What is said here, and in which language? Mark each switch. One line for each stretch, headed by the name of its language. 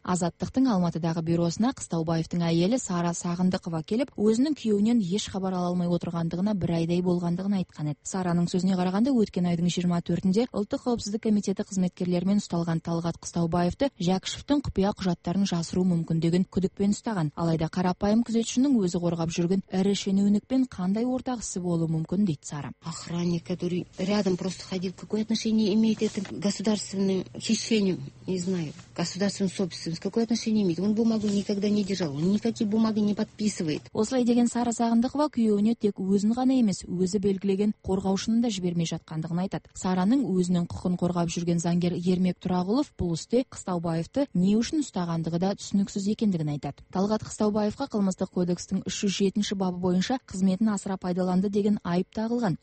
Kazakh: Азаттықтың Алматыдағы бюросына Қыстаубаевтың әйелі Сара Сағындықова келіп, өзінің күйеуінен еш хабар ала алмай отырғандығына бір айдай болғандығын айтқан еді. Сараның сөзіне қарағанда, өткен айдың 24-інде Ұлттық қауіпсіздік комитеті қызметкерлерімен ұсталған Талғат Қыстаубаев Жәкішевтің құпия құжаттарын жасыру мүмкін деген күдікпен ұстаған. Алайда қарапайым күзетшінің өзі қорғап жүрген ірі шенеунікпен қандай ортақ ісі болуы мүмкін дейді Сара.
Russian: Охранник, который рядом просто ходил, какое отношение имеет это к государственным хищениям? Не знаю. Государственным собственным. Какое отношение имеет? Он бумагу никогда не держал. Он никакие бумаги не подписывает.
Kazakh: Осылай деген Сара Сағындықова күйеуіне тек өзін ғана емес, өзі белгілеген қорғаушыны да жібермей жатқандығын айтады. Сараның өзінің құқын қорғап жүрген заңгер Ермек Тұрағұлов бұл істе Қыстаубаевты не үшін ұстағандығы да түсініксіз екендігін айтады. Талғат Қыстаубаевқа қылмыстық кодекстің 307-ші бабы бойынша қызметін асыра пайдаланды деген айып тағылған.